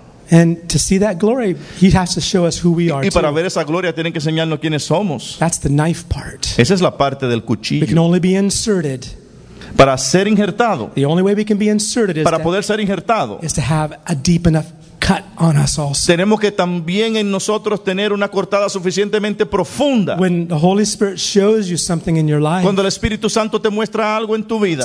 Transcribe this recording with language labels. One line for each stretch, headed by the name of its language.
English: And to see that glory, he has to show us who we are.
Spanish: Y para ver esa gloria, tienen que enseñarnos quiénes somos.
English: That's the knife part.
Spanish: Esa es la parte del cuchillo.
English: We can only be inserted.
Spanish: Para ser injertado.
English: The only way we can be inserted is
Spanish: para poder ser injertado.
English: Is to have a deep enough cut on us also.
Spanish: Tenemos que también en nosotros tener una cortada suficientemente profunda.
English: When the Holy Spirit shows you something in your life,
Spanish: cuando el Espíritu Santo te muestra algo en tu vida,